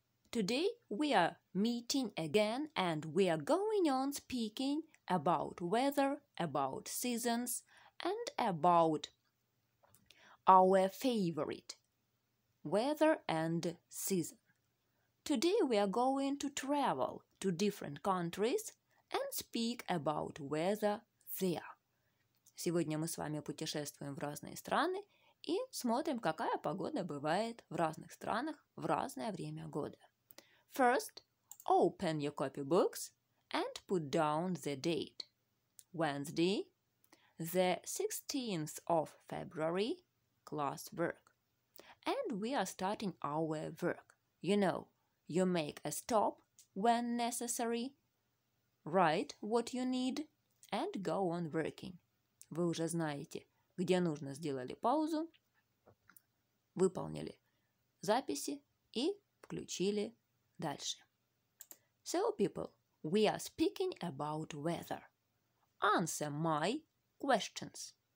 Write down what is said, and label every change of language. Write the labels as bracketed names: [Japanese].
[English] Today we are meeting again and we are going on speaking about weather, about seasons, and about our favorite weather and season. Today we are going to travel to different countries and speak about weather there. [Russian] Сегодня мы с вами путешествуем в разные страны и смотрим, какая погода бывает в разных странах в разное время года. [English] First, open your copy books and put down the date. Wednesday, the 16th of February, class work. And we are starting our work. You know, you make a stop when necessary, write what you need and go on working. [Russian] Вы уже знаете, где нужно сделали паузу, выполнили записи и включили дальше. [English] So, people, we are speaking about weather. Answer my questions.